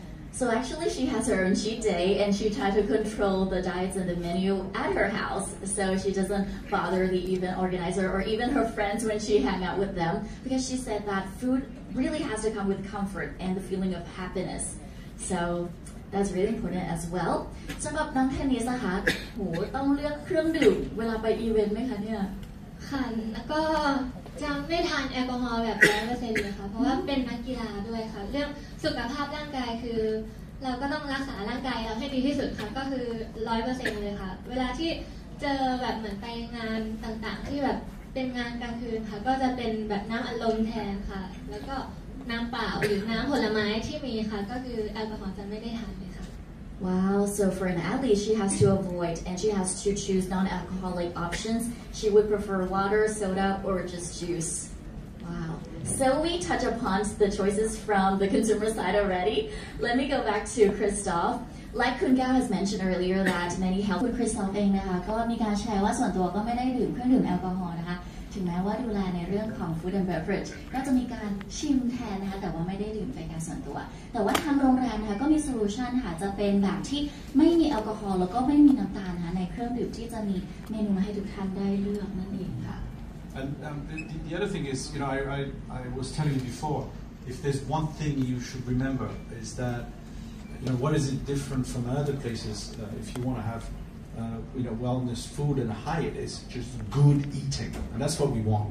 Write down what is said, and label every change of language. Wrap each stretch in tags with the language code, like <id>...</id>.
<en>So actually she has her own cheat day and she tried to control the diets and the menu at her house so she doesn't bother the event organizer or even her friends when she hang out with them because she said that food really has to come with comfort and the feeling of happiness. So that's really important as well.</en> <th>สำหรับน้องเทนนิสนะคะโหต้องเลือกเครื่องดื่มเวลาไปอีเวนต์ไหมคะเนี่ย ค่ะแล้วก็จะไม่ทานแอลกอฮอล์แบบ 100% เลยค่ะเพราะว่าเป็นนักกีฬาด้วยค่ะเรื่องสุขภาพร่างกายคือเราก็ต้องรักษาร่างกายเราให้ดีที่สุดค่ะก็คือ 100% เลยค่ะเวลาที่เจอแบบเหมือนไปงานต่างๆที่แบบเป็นงานกลางคืนค่ะก็จะเป็นแบบน้ำอัดลมแทนค่ะแล้วก็น้ำเปล่าหรือน้ำผลไม้ที่มีค่ะก็คือแอลกอฮอล์จะไม่ได้ทานเลยค่ะ</th> <en>Wow, so for an athlete, she has to avoid and she has to choose non-alcoholic options. She would prefer water, soda, or just juice. Wow. So we touch upon the choices from the consumer side already. Let me go back to Christoph. Like Kun Gao has mentioned earlier that many health...</en> <th>Christoph เองนะคะก็มีการแชร์ว่าส่วนตัวก็ไม่ได้ดื่มเครื่องดื่มแอลกอฮอล์นะคะถึงแม้ว่าดูแลในเรื่องของ</th> <en>food and beverage</en> <th>ก็จะมีการชิมแทนนะคะแต่ว่าไม่ได้ดื่มไปการส่วนตัวแต่ว่าทางโรงแรมนะคะก็มีโซลูชันค่ะจะเป็นแบบที่ไม่มีแอลกอฮอล์แล้วก็ไม่มีน้ำตาลนะในเครื่องดื่มที่จะมีเมนูมาให้ทุกท่านได้เลือกนั่นเองค่ะ</th> <en>And the other thing is you know I was telling you before if there's one thing you should remember is that you know what is it different from other places if you want to haveyou know, wellness food and diet is just good eating, and that's what we want.</en>